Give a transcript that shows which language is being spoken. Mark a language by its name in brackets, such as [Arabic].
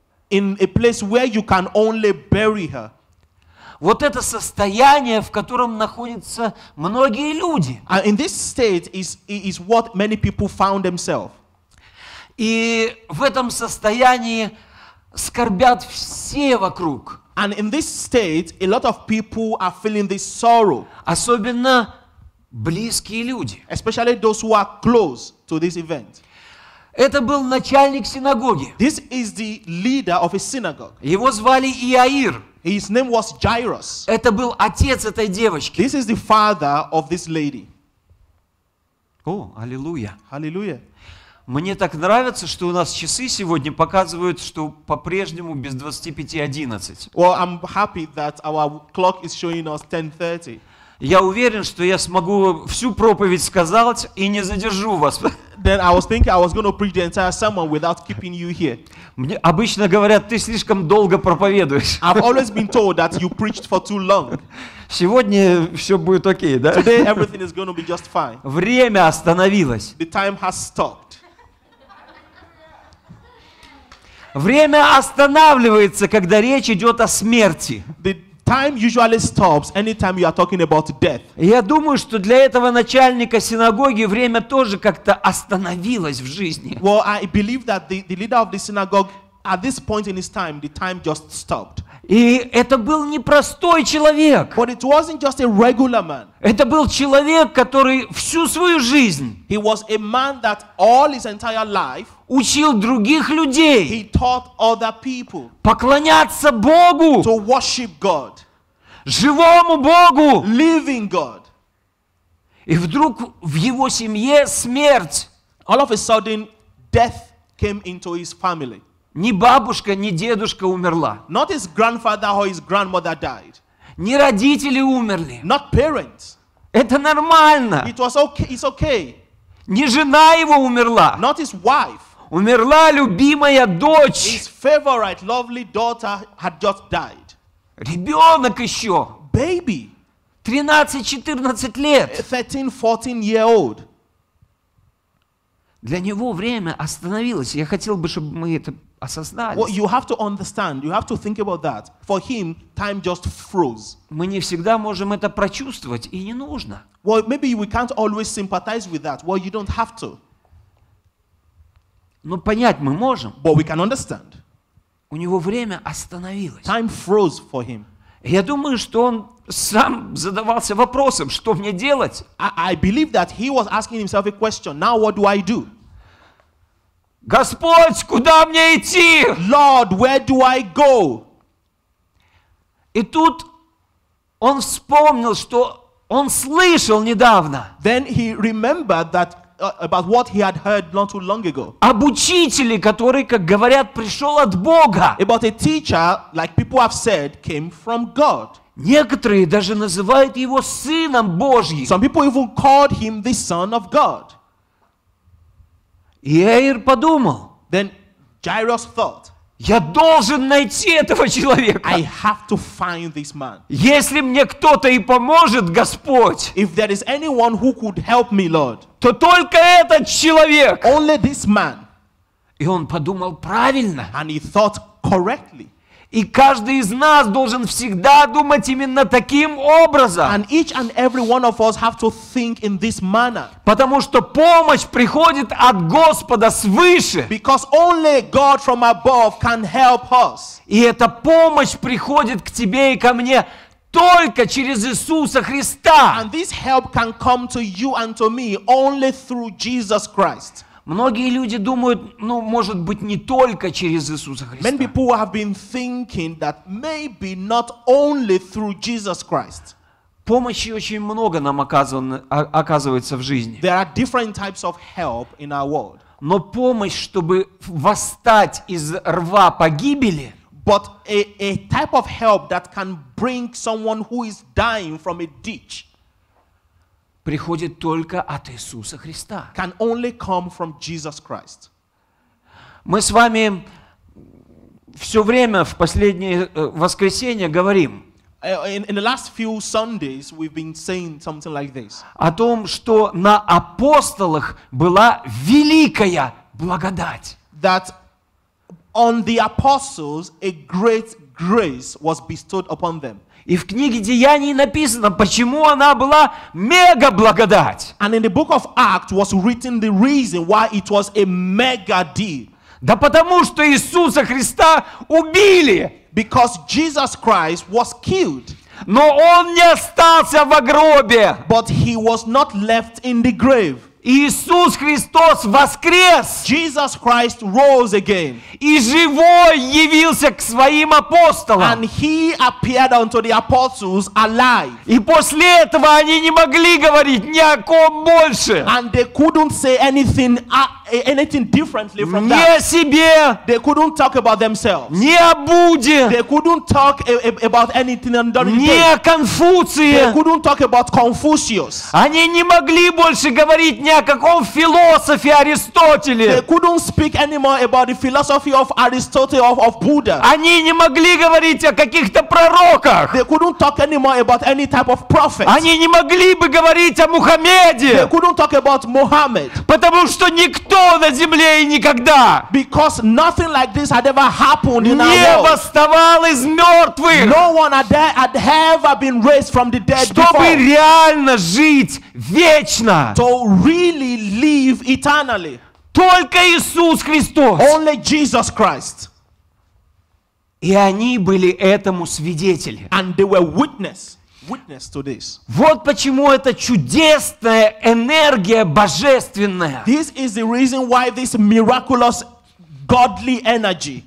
[English] In a place where you can only bury her. [Russian] Вот это состояние, в котором находятся многие люди. [English] In this state is what many people found themselves. [Russian] И в этом состоянии скорбят все вокруг. [English] And in this state, a lot of people are feeling this sorrow. [Russian] Особенно близкие люди. [English] Especially those who are close to this event. [Russian] Это был начальник синагоги. [English] This is the leader of a synagogue. [Russian] Его звали Иаир. [English] His name was Jairus. [Russian] Это был отец этой девочки. [English] This is the father of this lady. [Russian] О, аллилуйя. Аллилуйя. Мне так нравится, что у нас часы сегодня показывают, что по-прежнему без 25:11. [English] Well, I'm happy that our clock is showing us 10:30. [Russian] Я уверен, что я смогу всю проповедь сказать и не задержу вас. [English] Then I was thinking I was going to preach the entire sermon without keeping you here. [Russian] Мне обычно говорят, ты слишком долго проповедуешь. [English] I've always been told that you preached for too long. [Russian] Сегодня все будет окей, да? [English] Today everything is going to be just fine. [Russian] Время остановилось. [English] The time has stopped. [Russian] Время останавливается, когда речь идет о смерти. [English] Time usually stops anytime you are talking about death. [Russian] Я думаю, что для этого начальника синагоги время тоже как-то остановилось в жизни. [English] Well, I believe that the leader of the synagogue at this point in his time, the time just stopped. [Russian] И это был не простой человек. [English] But it wasn't just a regular man. [Russian] Это был человек, который всю свою жизнь. [English] He was a man that all his entire life. [Russian] Учил других людей. [English] He taught other people. [Russian] Поклоняться Богу. [English] To worship God. [Russian] Живому Богу. [English] Living God. [Russian] И вдруг в его семье смерть. [English] All of a sudden, death came into his family. [Russian] Ни бабушка, ни дедушка умерла. [English] Not his grandfather or his grandmother died. [Russian] Ни родители умерли. [English] Not parents. [Russian] Это нормально. [English] It was okay. It's okay. [Russian] Ни жена его умерла. [English] Not his wife. [Russian] Умерла любимая дочь. [English] His favorite, lovely daughter had just died. [Russian] Ребенок еще. [English] Baby. [Russian] 13-14 лет. [English] 13-14 year old. [Russian] Для него время остановилось. Я хотел бы, чтобы мы это осознали. [English] Well, you have to understand. You have to think about that. For him, time just froze. [Russian] Мы не всегда можем это прочувствовать, и не нужно. [English] Well, maybe we can't always sympathize with that. Well, you don't have to. [Russian] Но понять мы можем. [English] But we can understand. [Russian] У него время остановилось. [English] Time froze for him. [Russian] Я думаю, что он сам задавался вопросом, что мне делать. [English] I believe that he was asking himself a question. Now what do I do? [Russian] Господь, куда мне идти? [English] Lord, where do I go? [Russian] И тут он вспомнил, что он слышал недавно. [English] Then he remembered that about what he had heard not too long ago. [Russian] Об учителе, который, как говорят, пришел от Бога. [English] About a teacher, like people have said, came from God. [Russian] Некоторые даже называют его сыном Божьим. [English] Some people even called him the son of God. [Russian] Иаир подумал. [English] Then Jairus thought. [Russian] Я должен найти этого человека. [English] I have to find this man. [Russian] Если мне кто-то и поможет, Господь. [English] If there is anyone who could help me, Lord. [Russian] То только этот человек. [English] Only this man. [Russian] И он подумал правильно. [English] And he thought correctly. [Russian] И каждый из нас должен всегда думать именно таким образом. [English] And each and every one of us have to think in this manner. [Russian] Потому что помощь приходит от Господа свыше. [English] Because only God from above can help us. [Russian] И эта помощь приходит к тебе и ко мне только через Иисуса Христа. [English] And this help can come to you and to me only through Jesus Christ. [Russian] Многие люди думают, ну, может быть, не только через Иисуса Христа. [English] Many people have been thinking that maybe not only through Jesus Christ. [Russian] Помощи очень много нам оказывается в жизни. [English] There are different types of help in our world. [Russian] Но помощь, чтобы восстать из рва погибели, [English] but a type of help that can bring someone who is dying from a ditch. [Russian] Приходит только от Иисуса Христа. [English] Can only come from Jesus Christ. [Russian] Мы с вами все время в последнее воскресенье говорим. [English] In the last few Sundays we've been saying something like this. [Russian] О том, что на апостолах была великая благодать. [English] That on the apostles a great grace was bestowed upon them. [Russian] И в книге Деяний написано, почему она была мега благодать. [English] And in the book of Acts was written the reason why it was a mega deal. [Russian] Да потому что Иисуса Христа убили. [English] Because Jesus Christ was killed. [Russian] Но он не остался в гробе. [English] But he was not left in the grave. [Russian] Иисус Христос воскрес. [English] Jesus Christ rose again. [Russian] И живой явился к своим апостолам. [English] And he appeared unto the apostles alive. [Russian] И после этого они не могли говорить ни о ком больше. [English] And they couldn't say anything differently from that. [Russian] Ни о себе. [English] They couldn't talk about themselves. [Russian] Ни о Будде. [English] They couldn't talk about anything under the day. [Russian] Ни о Конфуции. [English] They couldn't talk about Confucius. [Russian] Они не могли больше говорить ни о каком философе Аристотеле. [English] They couldn't speak anymore about the philosophy of Aristotle of Buddha. [Russian] Они не могли говорить о каких-то пророках. [English] They couldn't talk anymore about any type of prophet. [Russian] Они не могли бы говорить о Мухаммеде. [English] They couldn't talk about Muhammad. [Russian] Потому что никто на земле и никогда. [English] Because nothing like this had ever happened in our world. [Russian] Не восставал из мертвых. [English] No one had ever been raised from the dead before. [Russian] Чтобы реально жить вечно. [English] To really live eternally. [Russian] Только Иисус Христос. [English] Only Jesus Christ. [Russian] И они были этому свидетели. [English] And they were witness to this. [Russian] Вот почему эта чудесная энергия божественная. [English] This is the reason why this miraculous godly energy